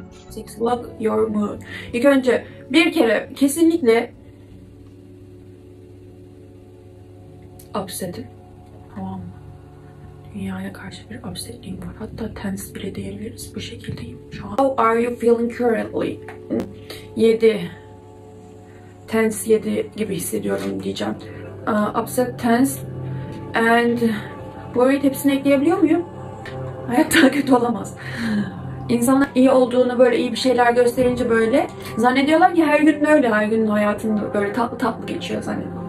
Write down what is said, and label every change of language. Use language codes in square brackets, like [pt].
[en] Six love your mood. [tr] İlk önce bir kere kesinlikle upset'im. Tamam mı? Dünyaya karşı bir upset'im var. Hatta tense bile diyebiliriz. Bu şekildeyim şu an. [en] How are you feeling currently? 7. [tr] Tense 7 gibi hissediyorum diyeceğim. [en] Upset, tense and worried [tr] hepsini ekleyebiliyor muyum? Hayat daha kötü olamaz. İnsanlar iyi olduğunu böyle iyi bir şeyler gösterince böyle zannediyorlar ki her gün öyle, her gün hayatın böyle tatlı tatlı geçiyor zannediyorlar.